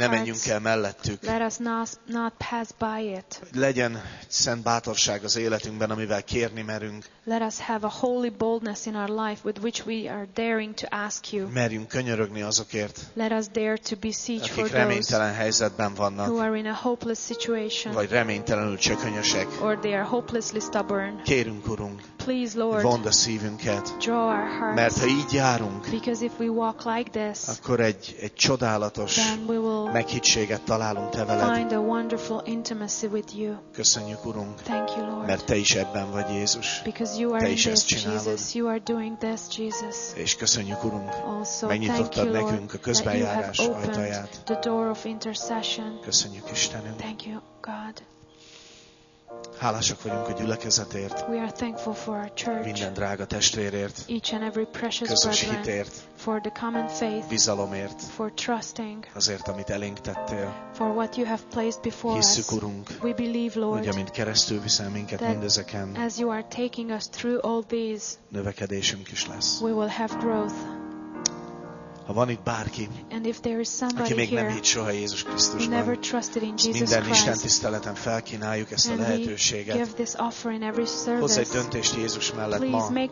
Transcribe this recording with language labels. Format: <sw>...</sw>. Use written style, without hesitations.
<hu>ne menjünk el mellettük,</hu> <en>let us not pass by it,</en> <hu>legyen szent bátorság az életünkben, amivel kérni merünk,</hu> <en>let us have a holy boldness in our life with which we are daring to ask you.</en> <hu>Merjünk könyörögni azokért.</hu> <en>Let us dare to beseech for those</en> <hu>reménytelen helyzetben vannak,</hu> <en>who are in a hopeless situation.</en> <hu>Vagy reménytelenül csökönyösek.</hu> <en>Or they are hopelessly stubborn.</en> <hu>Kérünk, Urunk,</hu> <en>please, Lord,</en> <hu>vond a szívünket.</hu> <en>Draw our hearts.</en> <hu>Mert ha így járunk,</hu> <en>because if we walk like this,</en> <hu>akkor egy csodálatos meghittséget találunk te veled.</hu> <en>Find a wonderful intimacy with you.</en> <hu>Köszönjük, Urunk.</hu> <en>Thank you, Lord.</en> <hu>Mert te is ebben vagy, Jézus.</hu> <en>Because you are</en> <hu>te is</hu> <en>in</en> <hu>ezt</hu> <en>this,</en> <hu>csinálod.</hu> <en>Jesus. You are doing this, Jesus.</en> <hu>És köszönjük, Urunk,</hu> <en>also,</en> <hu>megnyitottad nekünk</hu> <en>Lord,</en> <hu>a közbenjárás ajtaját.</hu> <en>The door of intercession.</en> <hu>Köszönjük, Istenünk.</hu> <en>Thank you, God.</en> <hu>Hálásak vagyunk a gyülekezetért.</hu> <en>We are thankful for our church.</en> <hu>Minden drága testvérért.</hu> <en>Each and every precious</en> <hu>közös</hu> <en>brethren,</en> <hu>hitért.</hu> <en>For the common faith.</en> <hu>Bizalomért.</hu> <en>For trusting.</en> <hu>Azért, amit elénk tettél.</hu> <en>For what you have placed before us.</en> <hu>Hisszük, Urunk.</hu> <en>We believe, Lord.</en> <hu>Hogy amint keresztül viszel minket mindezeken.</hu> <en>As you are taking us through all these.</en> <hu>Növekedésünk is lesz.</hu> <en>We will have growth.</en> <hu>Ha van itt bárki, aki még nem hitt soha Jézus Krisztusban, minden Isten tiszteleten felkínáljuk ezt a lehetőséget. Hozz egy döntést Jézus mellett ma.</hu>